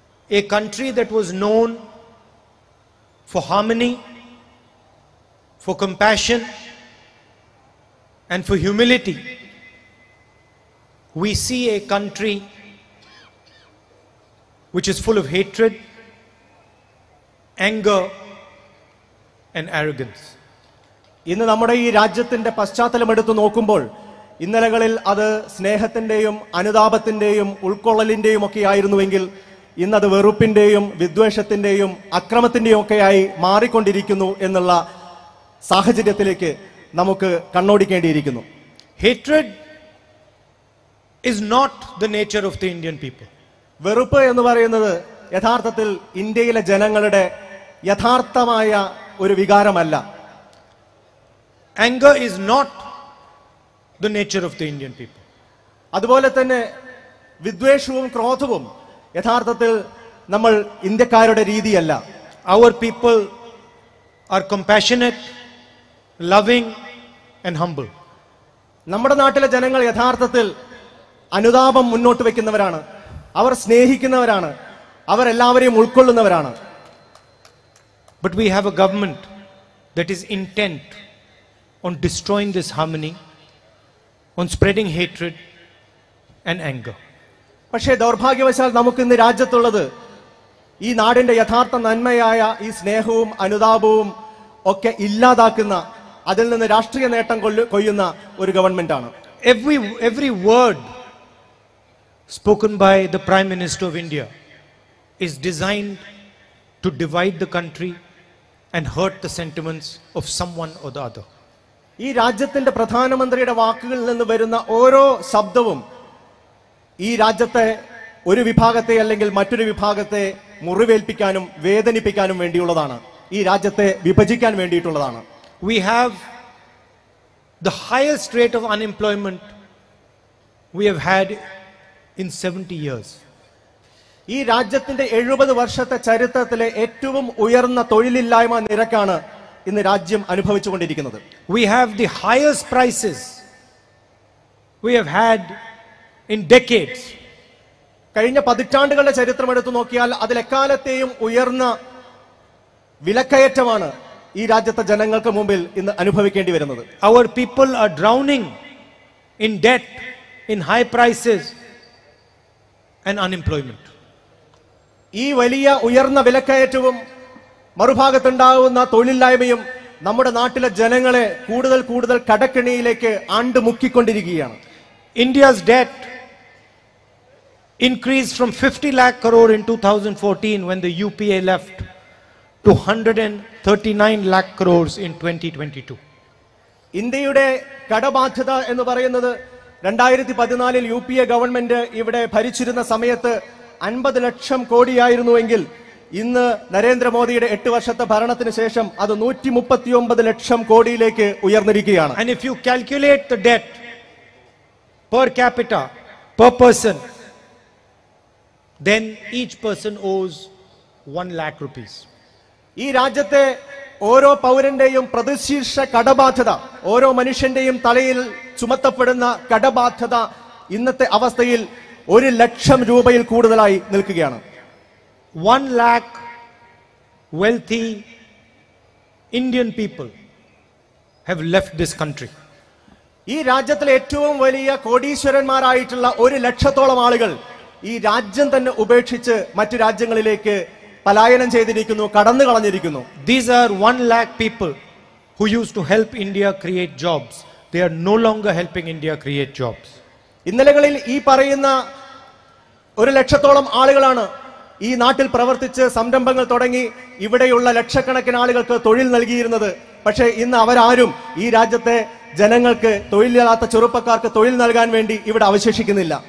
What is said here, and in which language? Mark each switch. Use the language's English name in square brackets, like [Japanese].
[English] A country that was known for harmony, for compassion, and for humility. We see a country which is full of hatred, anger, and arrogance. [Malayalam] ഇന്ന് നമ്മുടെ ഈ രാജ്യത്തിന്റെ പശ്ചാത്തലം എടുത്തു നോക്കുമ്പോൾ ഇന്നലകളിൽ അത് സ്നേഹത്തിന്റെയും അനുതാപത്തിന്റെയും ഉൾക്കൊള്ളലിന്റെയും ഒക്കെ ആയിരുന്നുവെങ്കിൽ ഇന്നത് വെറുപ്പിന്റെയും വിദ്വേഷത്തിന്റെയും അക്രമത്തിന്റെയും ഒക്കെയായി മാറിക്കൊണ്ടിരിക്കുന്നു എന്നുള്ള സാഹചര്യത്തിലേക്ക് നമുക്ക് കണ്ണോടിക്കേണ്ടിയിരിക്കുന്നു. [English] Hatred is not the nature of the Indian people. [Malayalam] വെറുപ്പ് എന്ന് പറയുന്നത് യഥാർത്ഥത്തിൽ ഇന്ത്യയിലെ ജനങ്ങളുടെ യഥാർത്ഥമായ ഒരു വികാരമല്ല. [English] Anger is not the nature of the Indian people. [Malayalam] അതുപോലെ തന്നെ വിദ്വേഷവും ക്രോധവും യഥാർത്ഥത്തിൽ നമ്മൾ ഇന്ത്യക്കാരുടെ രീതിയല്ല. [English] Our people are compassionate, loving, and humble. [Malayalam] നമ്മുടെ നാട്ടിലെ ജനങ്ങൾ യഥാർത്ഥത്തിൽ അനുതാപം മുന്നോട്ട് വെക്കുന്നവരാണ്, അവർ സ്നേഹിക്കുന്നവരാണ്, അവർ എല്ലാവരെയും ഉൾക്കൊള്ളുന്നവരാണ്. [English] But we have a government that is intent on destroying this harmony, on spreading hatred and anger. [Malayalam] പക്ഷേ ദൗർഭാഗ്യവശാൽ നമുക്ക് ഇന്ന് രാജ്യത്തുള്ളത് ഈ നാടിന്റെ യഥാർത്ഥ നന്മയായ ഈ സ്നേഹവും അനുതാപവും ഒക്കെ ഇല്ലാതാക്കുന്ന, അതിൽ നിന്ന് രാഷ്ട്രീയ നേട്ടം കൊയ്യുന്ന ഒരു ഗവൺമെന്റ് ആണ്. [English] Every word spoken by the Prime Minister of India is designed to divide the country and hurt the sentiments of someone or the other. [Malayalam] ഈ രാജ്യത്തിന്റെ പ്രധാനമന്ത്രിയുടെ വാക്കുകളിൽ നിന്ന് വരുന്ന ഓരോ ശബ്ദവും ഈ രാജ്യത്തെ ഒരു വിഭാഗത്തെ അല്ലെങ്കിൽ മറ്റൊരു വിഭാഗത്തെ മുറിവേൽപ്പിക്കാനും വേദനിപ്പിക്കാനും വേണ്ടിയുള്ളതാണ്, ഈ രാജ്യത്തെ വിഭജിക്കാൻ വേണ്ടിയിട്ടുള്ളതാണ്. [English] We have the highest rate of unemployment we have had in 70 years. [Malayalam] ഈ രാജ്യത്തിന്റെ 70 വർഷത്തെ ചരിത്രത്തിലെ ഏറ്റവും ഉയർന്ന തൊഴിലില്ലായ്മ നിരക്കാണ് ഇന്ന് രാജ്യം അനുഭവിച്ചുകൊണ്ടിരിക്കുന്നത്. [English] We have the highest prices we have had in decades. [Malayalam] കഴിഞ്ഞ പതിറ്റാണ്ടുകളുടെ ചരിത്രം എടുത്തു നോക്കിയാൽ അതിലെക്കാലത്തെയും ഉയർന്ന വിലക്കയറ്റമാണ് ഈ രാജ്യത്തെ ജനങ്ങൾക്ക് മുമ്പിൽ ഇന്ന് അനുഭവിക്കേണ്ടി വരുന്നത്. [English] Our people are drowning in debt, in high prices and unemployment. [Malayalam] ഈ വലിയ ഉയർന്ന വിലക്കയറ്റവും മറുഭാഗത്തുണ്ടാകുന്ന തൊഴിലില്ലായ്മയും നമ്മുടെ നാട്ടിലെ ജനങ്ങളെ കൂടുതൽ കൂടുതൽ കടക്കെണിയിലേക്ക് ആണ്ടുമുക്കിക്കൊണ്ടിരിക്കുകയാണ്. [English] India's debt increased from 50 lakh crore in 2014 when the UPA left to 139 lakh crores in 2022. [Malayalam] ഇന്ത്യയുടെ കടബാധ്യത എന്ന് പറയുന്നത് 2014 യു പി എ ഗവൺമെന്റ് ഇവിടെ ഭരിച്ചിരുന്ന സമയത്ത് 50 lakh crore ഇന്ന് നരേന്ദ്രമോദിയുടെ 8 വർഷത്തെ ഭരണത്തിന് ശേഷം അത് 139 lakh crore ഉയർന്നിരിക്കുകയാണ്. [English] And if you calculate the debt per capita, per person, then each person owes 1 lakh rupees. [Malayalam] ഈ രാജ്യത്തെ ഓരോ പൗരന്റെയും പ്രതിശീർഷ കടബാധ്യത, ഓരോ മനുഷ്യന്റെയും തലയിൽ ചുമത്തപ്പെടുന്ന കടബാധ്യത ഇന്നത്തെ അവസ്ഥയിൽ 1 lakh rupees കൂടുതലായി നിൽക്കുകയാണ്. [English] 1 lakh wealthy Indian people have left this country. [Malayalam] ഈ രാജ്യത്തിലെ ഏറ്റവും വലിയ കോടീശ്വരന്മാരായിട്ടുള്ള 1 lakh ആളുകൾ ഈ രാജ്യം തന്നെ ഉപേക്ഷിച്ച് മറ്റു രാജ്യങ്ങളിലേക്ക് പലായനം ചെയ്തിരിക്കുന്നു, കടന്നു കളഞ്ഞിരിക്കുന്നു. [English] These are 1 lakh people who used to help India create jobs. They are no longer helping India create jobs. [Malayalam] ഇന്നലകളിൽ ഈ പറയുന്ന 1 lakh ആളുകളാണ് ഈ നാട്ടിൽ പ്രവർത്തിച്ച് സംരംഭങ്ങൾ തുടങ്ങി ഇവിടെയുള്ള ലക്ഷക്കണക്കിന് ആളുകൾക്ക് തൊഴിൽ നൽകിയിരുന്നത്. പക്ഷേ ഇന്ന് അവരാരും ഈ രാജ്യത്തെ ജനങ്ങൾക്ക്, തൊഴിലില്ലാത്ത ചെറുപ്പക്കാർക്ക് തൊഴിൽ നൽകാൻ വേണ്ടി ഇവിടെ അവശേഷിക്കുന്നില്ല.